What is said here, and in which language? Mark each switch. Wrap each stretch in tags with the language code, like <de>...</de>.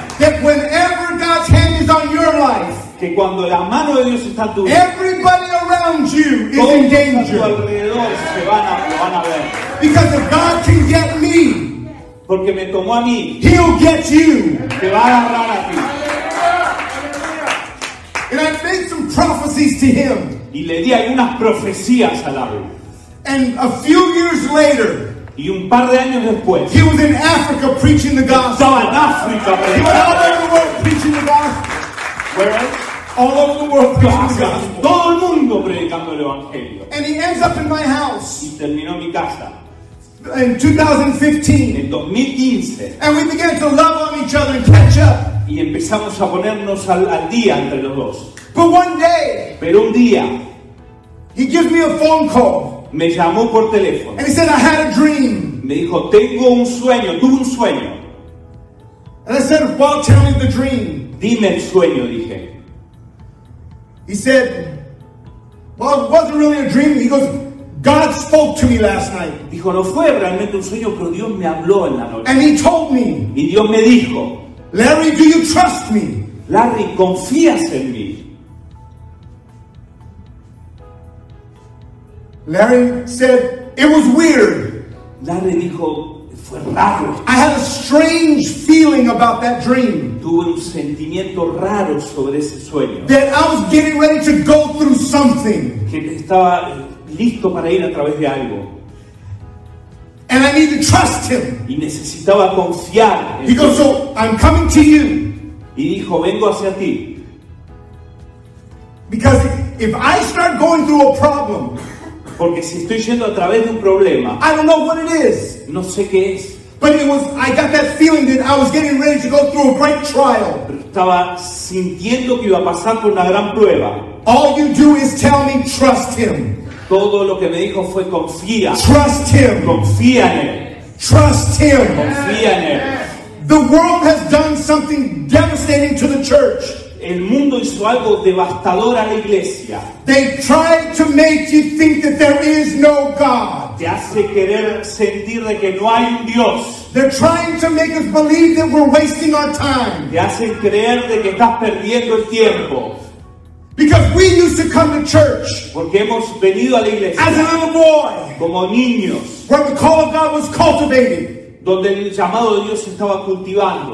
<en>That whenever God's hand is on your life.</en> <es>Que cuando la mano de Dios está en tu vida.</es> <en>Everybody around you is in danger.</en> <es>Todos a tu alrededor se van a ver.</es> <en>Because if God can get me.</en> <es>Porque me tomó a mí.</es> <en>He'll get you.</en> <es>Te va a agarrar a ti.</es> <en>And I made some prophecies to him.</en> <es>Y le di algunas profecías al árbol.</es> <en>And a few years later.</en> <es>Y un par de años después.</es> <en>He was in Africa preaching the gospel.</en> <es>Estaba en África.</es> <en>He was all over the world preaching the gospel. Where else? All over the world preaching the gospel.</en> <es>Todo el mundo predicando el evangelio.</es> <en>And he ends up in my house.</en> <es>Y terminó en mi casa.</es> <en>In 2015.</en> <es>En 2015.</es> <en>And we began to love on each other and catch up.</en> <es>Y empezamos a ponernos al día entre los dos.</es> <en>But one day.</en> <es>Pero un día.</es> <en>He gives me a phone call.</en> <es>Me llamó por teléfono.</es> <en>And he said, I had a dream.</en> <es>Me dijo, tengo un sueño, tuve un sueño.</es> <en>And I said, well, tell me the dream.</en> <es>Dime el sueño, dije.</es> <en>He said, well, it wasn't really a dream. He goes, God spoke to me last night.</en> <es>Dijo, no fue realmente un sueño, pero Dios me habló en la noche.</es> <en>And he told me.</en> <es>Y Dios me dijo,</es> <en>Larry, do you trust me?</en> <es>Larry, ¿confías en mí?</es> <en>Larry said, it was weird.</en> <es>Larry dijo, fue raro.</es> <en>I had a strange feeling about that dream.</en> <es>Tuve un sentimiento raro sobre ese sueño.</es> <en>That I was getting ready to go through something.</en> <es>Que estaba listo para ir a través de algo.</es> <en>And I need to trust him.</en> <es>Y necesitaba confiar en Dios.</es> <en>He goes, so I'm coming to you.</en> <es>Y dijo, vengo hacia ti.</es> <en>Because if I start going through a problem,</en> <es>porque si estoy yendo a través de un problema,</es> <en>I don't know what it is.</en> <es>No sé qué es.</es> <en>But it was, I got that feeling that I was getting ready to go through a great trial.</en> <es>Pero estaba sintiendo que iba a pasar por una gran prueba.</es> <en>All you do is tell me, trust him.</en> <es>Todo lo que me dijo fue confía.</es> <en>Trust him.</en> <es>Confía en él.</es> <en>Trust him.</en> <es>Confía en él.</es> <en>The world has done something devastating to the church.</en> <es>El mundo hizo algo devastador a la iglesia.</es> <en>They try to make you think that there is no God.</en> <es>Te hace querer sentir de que no hay un Dios.</es> <en>They're trying to make us believe that we're wasting our time.</en> <es>Te hacen creer de que estás perdiendo el tiempo.</es> <en>Because we used to come to church.</en> <es>Porque hemos venido a la iglesia.</es> <en>As a little boy.</en> <es>Como niños.</es> <en>Where the call of God was cultivated.</en> <es>Donde el llamado de Dios se estaba cultivando.</es>